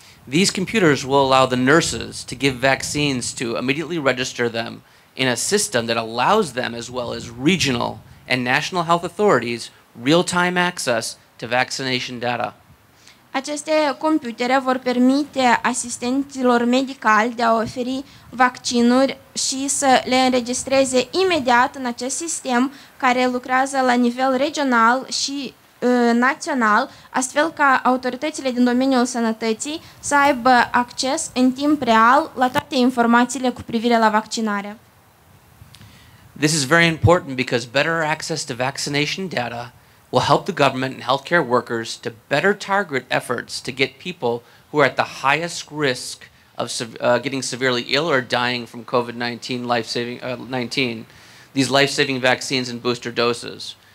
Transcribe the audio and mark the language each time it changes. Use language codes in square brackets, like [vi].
[en] These computers will allow the nurses to give vaccines to immediately register them in a system that allows them, as well as regional and national health authorities, real-time access to vaccination data. [ro] Aceste computere vor permite asistenților medicali de a oferi vaccinuri și să le înregistreze imediat în acest sistem care lucrează la nivel regional și național, astfel ca autoritățile din domeniul sănătății să aibă acces în timp real la toate informațiile cu privire la vaccinare. [en] This is very important because better access to vaccination data will help the government and healthcare workers to better target efforts to get people who are at the highest risk of getting severely ill or dying from COVID-19 these life-saving vaccines and booster doses.